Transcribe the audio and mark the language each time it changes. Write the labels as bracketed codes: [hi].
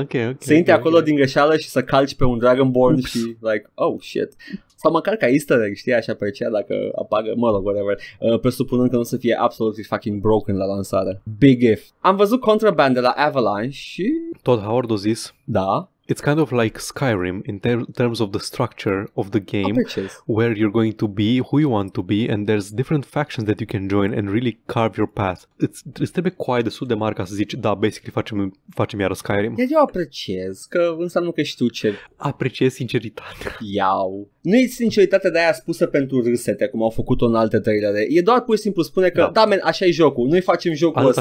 [en] Okay, [ro] să intri acolo din greșeală și să calci pe un Dragonborn. Oops. Și like, [en] oh, shit. [ro] Sau măcar ca easter egg, știi, așa pe aceea, dacă apagă, mă rog, whatever, presupunând că nu o să fie absolut fucking broken la lansare. [en] Big if. [ro] Am văzut Contraband de la Avalanche și... Todd Howard a zis. Da. [en] It's kind of like Skyrim in terms of the structure of the game, where you're going to be, who you want to be, and there's different factions that you can join and really carve your path. It's [ro] trebuie quite destul de mare ca să zici, da, basically facem iară Skyrim. Iar eu apreciez, că înseamnă că știu ce... Apreciez sinceritatea. Iau. Nu e sinceritatea de aia spusă pentru râsete, cum au făcut-o în alte trailere. E doar pur și simplu spune că, da, man, așa e jocul, noi facem jocul ăsta.